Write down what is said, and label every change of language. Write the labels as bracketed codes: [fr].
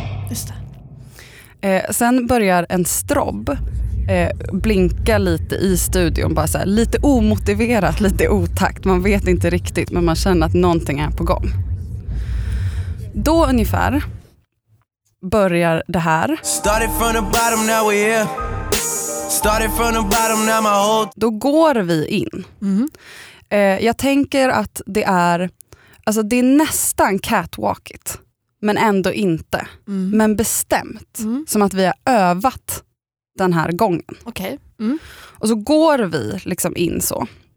[sv] Just det. Sen börjar en strobb blinka lite i studion. Bara så här, lite omotiverat, lite otakt. Man vet inte riktigt, men man känner att någonting är på gång. Då ungefär börjar det här. [en] Started from the bottom, now we're here. Started from the bottom, now my whole... [sv] Då går vi in. Jag tänker att det är, alltså det är nästan catwalkigt, men ändå inte. Mm. Men bestämt. Mm. Som att vi har övat den här gången. [en] Okay. [sv] Och så går vi liksom in så.